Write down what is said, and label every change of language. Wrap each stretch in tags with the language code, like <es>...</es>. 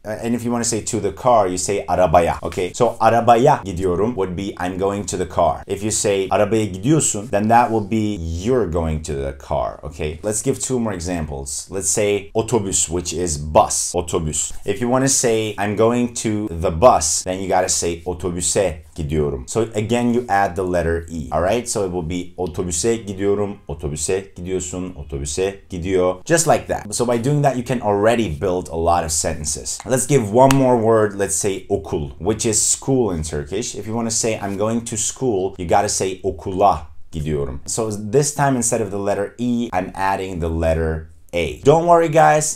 <en>And if you want to say to the car, you say</en> <tr>arabaya,</tr> <en>okay? So</en> <tr>arabaya gidiyorum</tr> <en>would be I'm going to the car. If you say</en> <tr>arabaya gidiyorsun,</tr> <en>then that will be you're going to the car, okay? Let's give two more examples. Let's say</en> <tr>otobüs,</tr> <en>which is bus,</en> <tr>otobüs.</tr> <en>If you want to say I'm going to the bus, then you got to say</en> <tr>otobüse gidiyorum.</tr> <en>So again, you add the letter E. Alright, so it will be</en> <tr>otobüse gidiyorum, otobüse gidiyorsun, otobüse gidiyor.</tr> <en>Just like that. So by doing that, you can already build a lot of sentences. Let's give one more word. Let's say</en> <tr>okul,</tr> <en>which is school in Turkish. If you want to say I'm going to school, you gotta say</en> <tr>okula gidiyorum.</tr> <en>So this time, instead of the letter E, I'm adding the letter A. Don't worry, guys.</en>